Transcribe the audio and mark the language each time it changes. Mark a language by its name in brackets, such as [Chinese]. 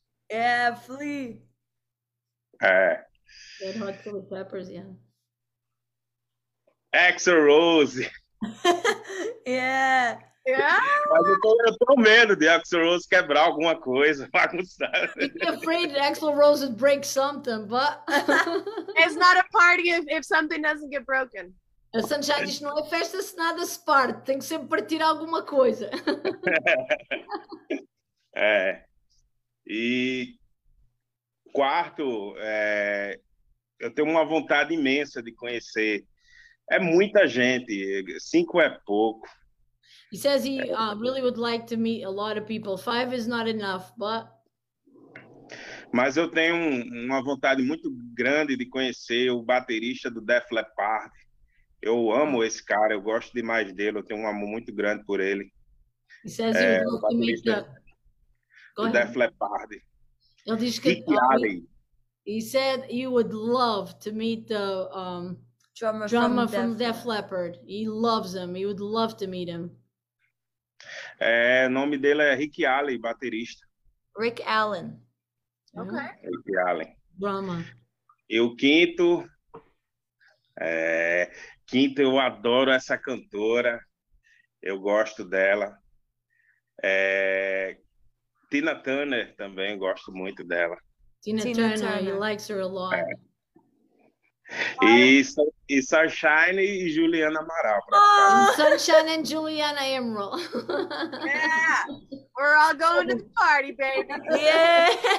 [Portuguese] É, Flea. [English] Red Hot Chili Peppers, yeah. Axl Rose. Yeah. [Portuguese] Mas eu tô com medo de Axl Rose quebrar alguma coisa, bagunçar. [English] I'm afraid that Axl Rose would break something, but... It's not a party if something doesn't get broken. [Portuguese] A Sunshine diz, não é festa se nada se parte. Tem que sempre partir alguma coisa. É. E quarto, eu tenho uma vontade imensa de conhecer. É muita gente. Cinco é pouco. [English] He says he really would like to meet a lot of people. Five is not enough, but... [Portuguese] Mas eu tenho uma vontade muito grande de conhecer o baterista do Def Leppard. Eu amo esse cara, eu gosto demais dele, eu tenho um amor muito grande por ele. [English] He says he would like to meet the Def Leppard. [Portuguese] Ele diz que Rick Allen. [English] He said he would love to meet the drummer from Def Leppard. He loves him. He would love to meet him. [Portuguese] É, o nome dele é Rick Allen, baterista. Rick Allen. [English] Okay. Rick Allen. Drummer. [Portuguese] E o quinto. Quinto, eu adoro essa cantora, eu gosto dela. Tina Turner também, gosto muito dela. [English] Tina Turner, he likes her a lot. [Portuguese] E Sunshine e Juliana Amaral. [English] Sunshine and Juliana Amaral. Yeah, we're all going to the party, baby. Yeah.